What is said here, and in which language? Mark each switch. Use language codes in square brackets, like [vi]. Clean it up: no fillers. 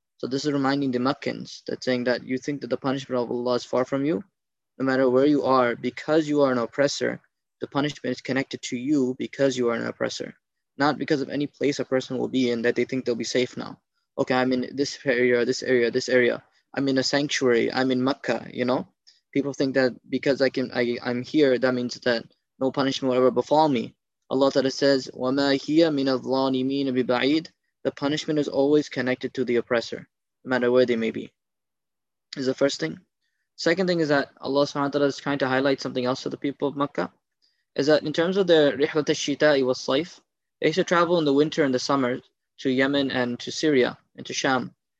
[en] So this is reminding the Meccans that saying that you think that the punishment of Allah is far from you, no matter where you are, because you are an oppressor, the punishment is connected to you because you are an oppressor. Not because of any place a person will be in that they think they'll be safe now. Okay, I'm in this area, this area, this area. I'm in a sanctuary, I'm in Mecca, you know. People think that because I'm here, that means that no punishment will ever befall me. [ar] Allah Ta'ala says, وَمَا هِيَ مِنَ الظَّالِمِينَ بِبَعِيدٍ. [en] The punishment is always connected to the oppressor, no matter where they may be. This is the first thing. Second thing is that Allah Subhanahu wa Ta'ala is trying to highlight something else to the people of Mecca. Is that in terms of their [ar] رِحْلَةَ الشِّتَاءِ وَالصَّيْفِ, [en] they used to travel in the winter and the summer to Yemen and to Syria and to Sham.